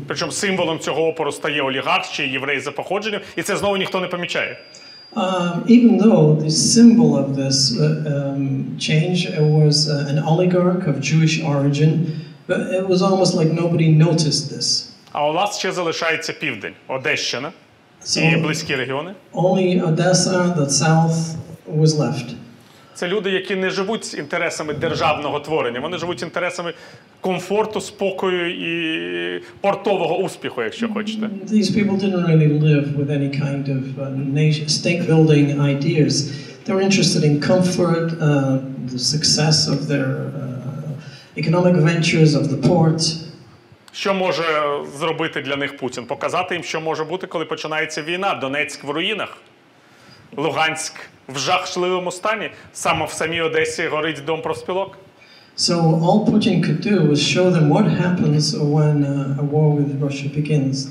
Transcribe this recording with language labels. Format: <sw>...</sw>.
<uk>Причому символом цього опору стає олігарх чи єврей за походженням, і це знову ніхто не помічає.</uk> <en>Even though the symbol of this change was an oligarch of Jewish origin, but it was almost like nobody noticed this.</en> <uk>А у нас ще залишається Південь, Одещина і близькі регіони.</uk> <en>Only Odessa, the south, was left.</en> <uk>Це люди, які не живуть інтересами державного творення, вони живуть інтересами комфорту, спокою і портового успіху, якщо хочете.</uk> <en>These people didn't really live with any kind of state-building ideas. They were interested in comfort, the success of their economic ventures, of the port.</en> <uk>Що може зробити для них Путін? Показати їм, що може бути, коли починається війна. Донецьк в руїнах, Луганськ в жахливому стані. Саме в самій Одесі горить Дом профспілок.</uk> <en>So all Putin could do was show them what happens when a war with Russia begins.</en>